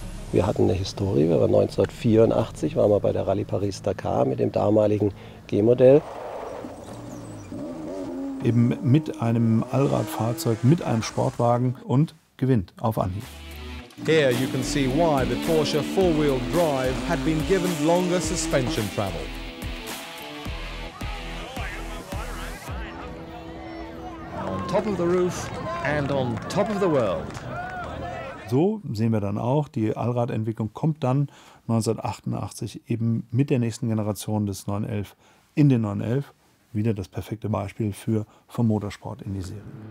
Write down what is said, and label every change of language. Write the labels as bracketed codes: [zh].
[de] Wir hatten eine Historie, wir waren 1984, waren wir bei der Rallye Paris-Dakar mit dem damaligen G-Modell. Eben mit einem Allradfahrzeug, mit einem Sportwagen und gewinnt auf Anhieb. [en] Here you can see why the Porsche four-wheel drive had been given longer suspension travel. On top of the roof and on top of the world. [de] So sehen wir dann auch, die Allradentwicklung kommt dann 1988 eben mit der nächsten Generation des 911 in den 911. Wieder das perfekte Beispiel für vom Motorsport in die Serie.